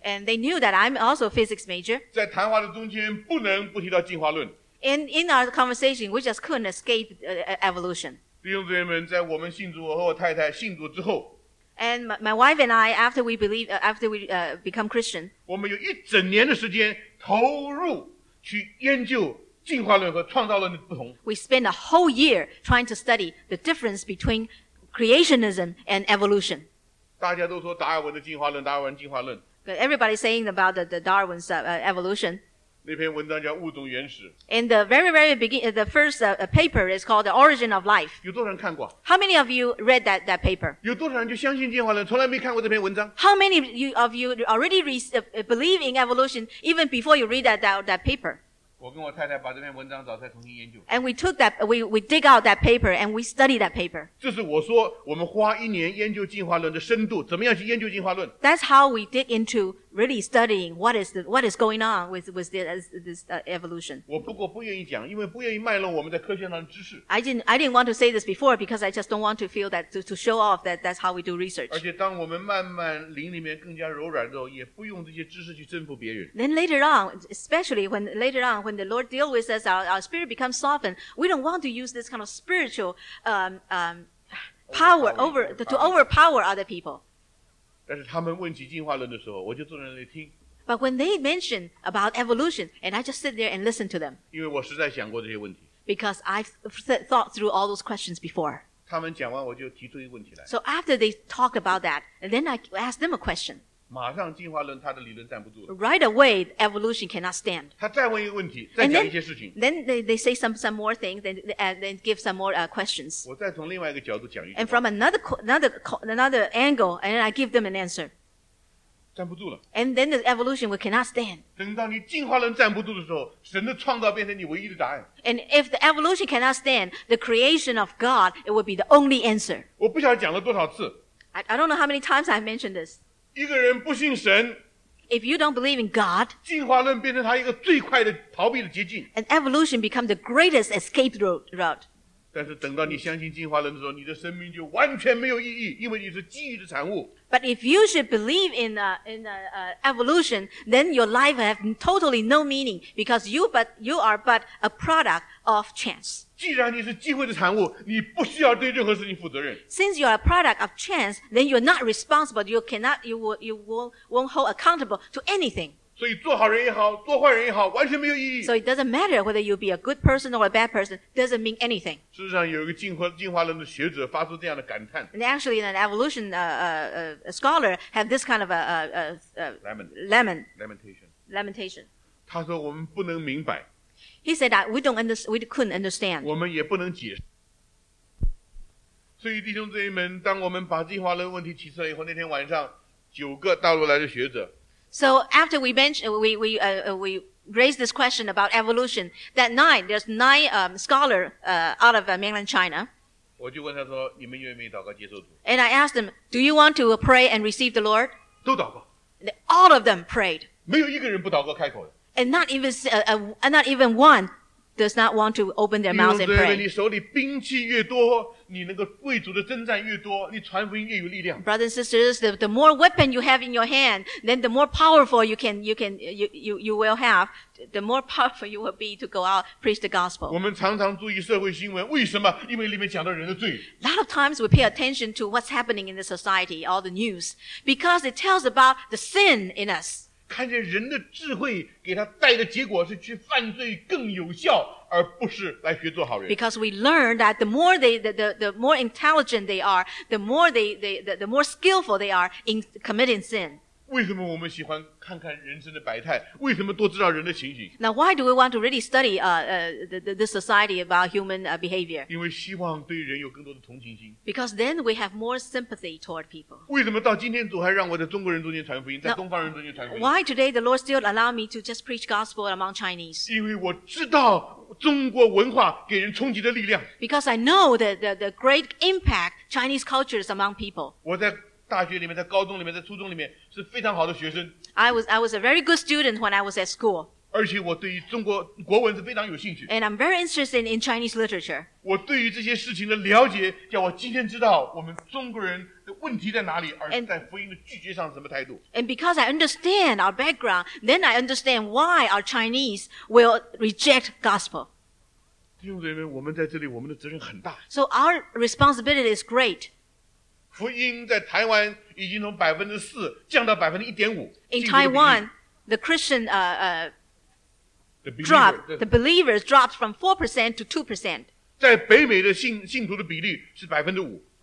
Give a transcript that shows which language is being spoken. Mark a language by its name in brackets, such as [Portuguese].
[English] And they knew that I'm also a physics major. [Chinese] 在谈话的中间不能不提到进化论。 [English] In our conversation, we just couldn't escape evolution. [Chinese] 弟兄姊妹们，在我们信主，我和我太太信主之后。 [English] And my wife and I, after we believe, after we become Christian. [Chinese] 我们有一整年的时间投入。去研究进化论和创造论的不同。 [English] We spend a whole year trying to study the difference between creationism and evolution. [Chinese] 大家都说达尔文的进化论，达尔文进化论。 [English] Everybody saying about the Darwin's evolution. [Chinese] 那篇文章叫《物种原始》。 [English] And the very very beginning, the first paper is called The Origin of Life. [Chinese] 有多少人看过？ [English] How many of you read that paper? [Chinese] 有多少人就相信进化论，从来没看过这篇文章？ [English] How many of you already believe in evolution even before you read that paper? [Chinese] 我跟我太太把这篇文章找出来重新研究。 [English] And we took that, we dig out that paper and we study that paper. [Chinese] 这是我说我们花一年研究进化论的深度，怎么样去研究进化论？ [English] That's how we dig into really studying what is going on with this evolution. [Chinese] 我不过不愿意讲，因为不愿意卖弄我们在科学上的知识。 [English] I didn't want to say this before because I just don't want to feel that to show off that's how we do research. [Chinese] 而且当我们慢慢灵里面更加柔软之后，也不用这些知识去征服别人。 [English] Then later on, when the Lord deals with us, our spirit becomes softened. We don't want to use this kind of spiritual power overpower other people. [Chinese] 但是他们问起进化论的时候，我就坐在那里听。 [English] But when they mention about evolution, and I just sit there and listen to them. [Chinese] 因为我实在想过这些问题。 [English] Because I've thought through all those questions before. [Chinese] 他们讲完，我就提出一个问题来。 [English] So after they talk about that, and then I ask them a question. [Chinese] 马上进化论他的理论站不住了。 [English] Right away, evolution cannot stand. [Chinese] 他再问一个问题，再讲一些事情。 [English] Then they say some more things, then give some more questions. [Chinese] 我再从另外一个角度讲一句话。 [English] And from another angle, and I give them an answer. [Chinese] 站不住了。 [English] And then the evolution will cannot stand. [Chinese] 等到你进化论站不住的时候，神的创造变成你唯一的答案。 [English] And if the evolution cannot stand, the creation of God, it will be the only answer. [Chinese] 我不晓得讲了多少次。 [English] I don't know how many times I've mentioned this. [Chinese] 一个人不信神， [English] if you don't believe in God, [Chinese] 进化论变成他一个最快的逃避的捷径， [English] and evolution becomes the greatest escape route. [Chinese] 但是等到你相信进化论的时候，你的生命就完全没有意义，因为你是记忆的产物。 [English] But if you should believe in evolution, then your life has totally no meaning because you are but a product of chance. [Chinese] 既然你是机会的产物，你不需要对任何事情负责任。 [English] Since you are a product of chance, then you are not responsible. You won't hold accountable to anything. [Chinese] 所以做好人也好，做坏人也好，完全没有意义。 [English] So it doesn't matter whether you be a good person or a bad person. Doesn't mean anything. [Chinese] 事实上，有一个进化论的学者发出这样的感叹。 [English] And actually, an evolution scholar have this kind of lamentation. [Chinese] 他说我们不能明白。 [English] He said that we couldn't understand. [Chinese] 我们也不能解释。所以弟兄姊妹们，当我们把进化论问题提出来以后，那天晚上九个大陆来的学者。 [English] So after we raised this question about evolution, that night there's nine scholar out of mainland China. [Chinese] 我就问他说，你们愿不愿意祷告接受主？ [English] And I asked them, do you want to pray and receive the Lord? [Chinese] 都祷告。 [English] All of them prayed. [Chinese] 没有一个人不祷告开口的。 [English] And not even one does not want to open their mouths and pray. [Chinese] 你手里兵器越多，你那个贵族的征战越多，你传福音越有力量。 [English] Brothers and sisters, the more weapon you have in your hand, then the more powerful you will have, the more powerful you will be to go out preach the gospel. [Chinese] 我们常常注意社会新闻，为什么？因为里面讲到人的罪。 [English] A lot of times we pay attention to what's happening in the society, all the news, because it tells about the sin in us. [Chinese] 看见人的智慧给他带的结果是去犯罪更有效，而不是来学做好人。 [English] Because we learn that the more intelligent they are, the more skillful they are in committing sin. [Chinese] 为什么我们喜欢看看人生的百态？为什么多知道人的情形 [English] ？Now why do we want to really study the society about human behavior? [Chinese] 因为希望对人有更多的同情心。 [English] Because then we have more sympathy toward people. [Chinese] 为什么到今天主还让我在中国人中间传福音，在东方人中间传福音 [English] ？Why today the Lord still allow me to just preach gospel among Chinese? [Chinese] 因为我知道中国文化给人冲击的力量。 [English] Because I know the great impact Chinese culture is among people. [Chinese] 我在大学里面，在高中里面，在初中里面是非常好的学生。 [English] I was a very good student when I was at school. [Chinese] 而且我对于中国国文是非常有兴趣。 [English] And I'm very interested in Chinese literature. [Chinese] 我对于这些事情的了解，叫我今天知道我们中国人的问题在哪里，而在福音的拒绝上是什么态度。 [English] And because I understand our background, then I understand why our Chinese will reject gospel. [Chinese] 弟兄姊妹，我们在这里，我们的责任很大。 [English] So our responsibility is great. [Chinese] 福音在台湾已经从 4% 降到 1.5%。 [English] In Taiwan, the Christian the believers dropped from 4% to 2%. [Chinese] 在北美的信徒的比例是 5%。